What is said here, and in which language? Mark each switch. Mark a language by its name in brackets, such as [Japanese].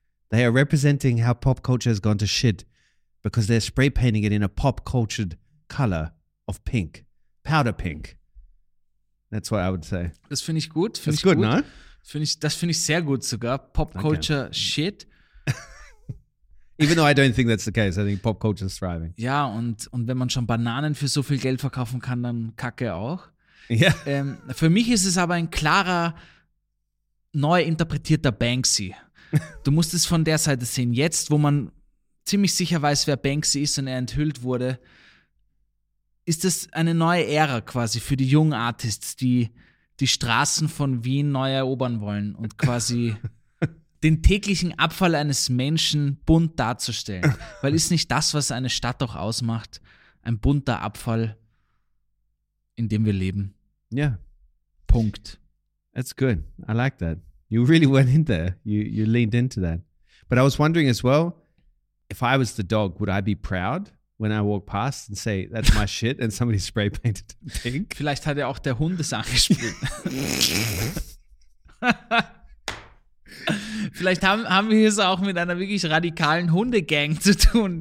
[English] They are representing how pop culture has gone to shit because they're spray painting it in a pop cultured color of pink, powder pink. That's what I would say. [German] Das finde ich gut. Find [English] That's [German] ich [English] good, [German] gut. [English] No? [German] Das finde ich sehr gut sogar. [English] Pop culture okay. Shit. Even though I don't think that's the case, I think pop culture is thriving. [German] Ja, und wenn man schon Bananen für so viel Geld verkaufen kann, dann kacke auch. Ja. [English] Yeah. [German] Für mich ist es aber ein klarer, neu interpretierter Banksy. Du musst es von der Seite sehen. Jetzt, wo man ziemlich sicher weiß, wer Banksy ist und er enthüllt wurde, ist das eine neue Ära quasi für die jungen Artists, die die Straßen von Wien neu erobern wollen und quasi den täglichen Abfall eines Menschen bunt darzustellen. Weil ist nicht das, was eine Stadt doch ausmacht, ein bunter Abfall, in dem wir leben? Ja. [English] Yeah. [German] Punkt. [English] That's good. I like that. You really went in there. You leaned into that. But I was wondering as well, if I was the dog, would I be proud? When I walk past and say, that's my shit, and somebody spray painted pink. [German] Vielleicht hat er auch der Hund es angesprüht. Vielleicht haben wir es auch mit einer wirklich radikalen Hundegang zu tun.